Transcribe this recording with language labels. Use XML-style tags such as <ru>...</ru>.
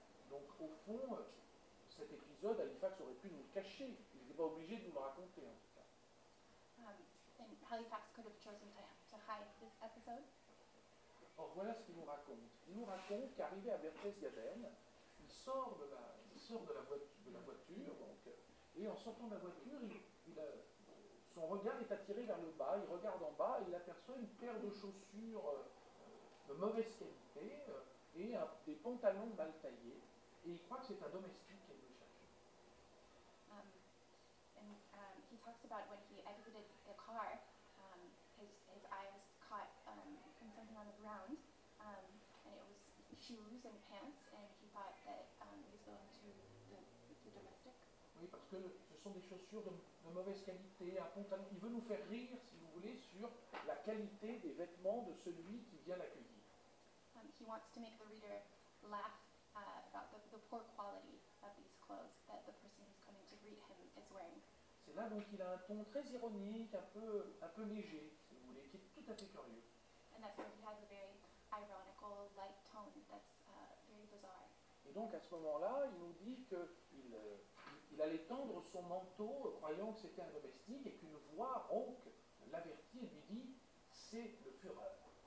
<fr>Donc au fond, cet épisode, Halifax aurait pu nous le cacher. Il n'était pas obligé de nous le raconter en tout cas.</fr> <en>Halifax could have chosen to hide this episode.</en> <fr>Or voilà ce qu'il nous raconte. Il nous raconte qu'arrivé à Berchtesgaden, il sort de la voiture, donc, et en sortant de la voiture, son regard est attiré vers le bas. Il regarde en bas et il aperçoit une paire de chaussures de mauvaise qualité et des pantalons mal taillés. Et il croit que c'est un domestique qui le cherche.</fr> <en>He talks about when he exited the car, his eye was caught from something on the ground, and it was shoes and pants, and he thought that he was going to the domestic.</en> <fr>Oui, parce que ce sont des chaussures de mauvaise qualité, un pantalon. Il veut nous faire rire, si vous voulez, sur la qualité des vêtements de celui qui vient l'accueillir.</fr> <en>He wants to make the reader laugh about the poor quality of these clothes that the person who's coming to greet him is wearing.</en> <fr>C'est là donc il a un ton très ironique, un peu léger, si vous voulez, qui est tout à fait curieux.</fr> <en>And that's where he has a very ironical, light tone that's very bizarre.</en> <fr>Et donc à ce moment-là, il nous dit qu'il allait tendre son manteau, croyant que c'était un domestique, et qu'une voix rauque l'avertit et lui dit « c'est le Führer ».</fr>